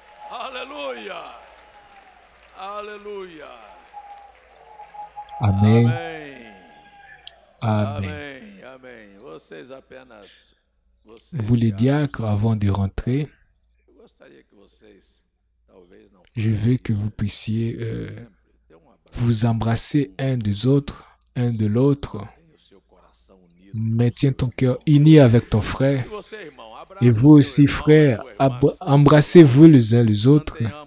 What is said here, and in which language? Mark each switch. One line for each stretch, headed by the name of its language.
French: Alléluia. Alléluia.
Portuguese: Amém. Amém. Amém. Amém. Vocês apenas. Vocês
French: vous les diacres, avant de rentrer,
Portuguese: eu gostaria que vocês, talvez não,
French: je veux que vous puissiez vous embrasser un des autres, un de l'autre. Maintiens ton cœur uni avec ton frère.
Portuguese: Et, você, irmão,
French: et vous aussi, frère, embrassez-vous les uns les autres.